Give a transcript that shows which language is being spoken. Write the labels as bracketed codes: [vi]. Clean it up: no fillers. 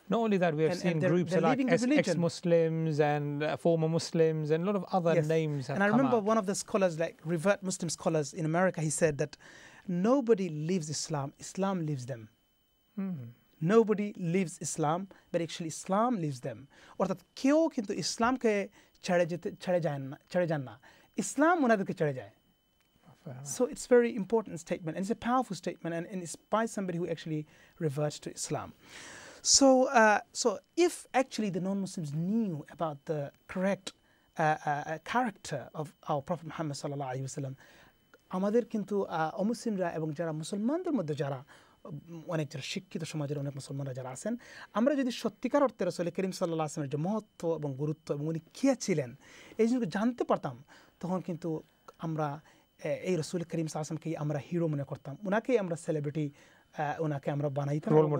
[en] Not only that, we have seen groups like ex-Muslims and former Muslims and a lot of other names. And I remember one of the scholars, like revered Muslim scholars in America, he said that nobody leaves Islam. Islam leaves them. Nobody leaves Islam, but actually Islam leaves them. [bn] অর্থাৎ কেউ কিন্তু ইসলামকে ছেড়ে যান না, ইসলাম ওনাদেরকে ছেড়ে যায়। [en] So it's a very important statement, and it's a powerful statement, and it's by somebody who actually reverts to Islam. So if actually the non-Muslims knew about the correct character of our Prophet Muhammad sallallahu alaihi wasallam, [bn] আমাদের কিন্তু অমুসলিমরা এবং যারা মুসলমানদের মধ্যে যারা অনেক যারা শিক্ষিত সমাজের অনেক মুসলমানরা যারা আছেন, আমরা যদি সত্যিকার অর্থে রাসূল করিম সাল্লাল্লাহু আলাইহি ওয়াসাল্লামের যে মহত্ব এবং গুরুত্ব এবং উনি কে ছিলেন এই জিনিসগুলো জানতে পারতাম, তখন কিন্তু আমরা এই রাসূল করিম সাল্লাল্লাহু আলাইহি ওয়াসাল্লামকেই আমরা হিরো মনে করতাম, ওনাকেই আমরা সেলিব্রিটি, ওনাকে আমরা বানাইতাম,